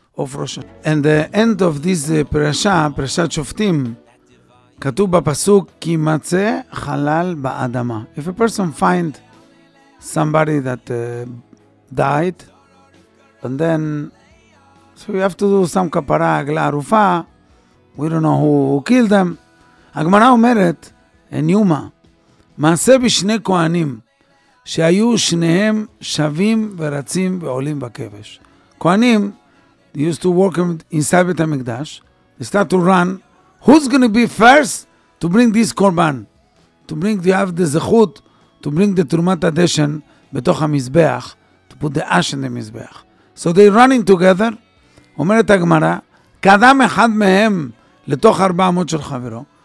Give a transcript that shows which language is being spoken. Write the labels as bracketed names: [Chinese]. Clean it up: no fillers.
[English] Of and the end of this parasha, Parashat Shoftim, [Hebrew] כתוב בפסוק, כי מצא חלל באדמה. [English] If a person find somebody that died, and then, so you have to do some kapara, agla, rufa, we don't know who killed them. [Hebrew] הגמרא אומרת, [English] in Yuma, [Hebrew] מעשה בשני כהנים, שהיו שניהם שווים ורצים ועולים בכבש. [English] כהנים, they used to work inside Beit HaMikdash. They start to run. Who's going to be first to bring this korban? To bring the zechut, to bring the turmat adeshen betoch ha-mizbeach, to put the ash in the mizbeach. So they're running together. Omeret ha-gemara, kadam echad mehem letoch arba amot shel chavero.